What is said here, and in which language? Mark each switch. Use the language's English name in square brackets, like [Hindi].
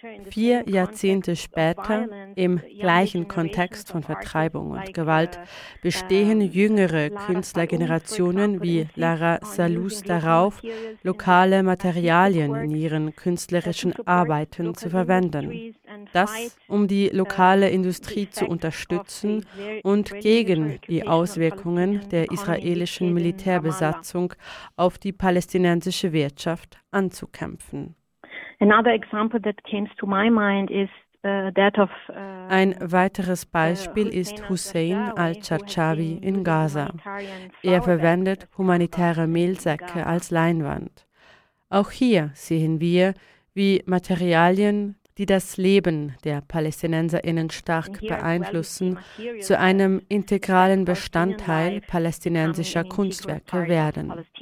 [German] 4 Jahrzehnte später, im gleichen Kontext von Vertreibung und Gewalt, bestehen jüngere Künstlergenerationen wie Lara Salus darauf, lokale Materialien in ihren künstlerischen Arbeiten zu verwenden. Das, um die lokale Industrie zu unterstützen und gegen die Auswirkungen der israelischen Militärbesatzung auf die palästinensische Wirtschaft anzukämpfen. [English] Another example that came to my mind is that of [German] ein weiteres Beispiel ist Hussein al-Charchawi in Gaza. Er verwendet humanitäre Mehlsäcke als Leinwand. Auch hier sehen wir, wie Materialien, die das Leben der PalästinenserInnen stark beeinflussen, zu einem integralen Bestandteil palästinensischer Kunstwerke werden.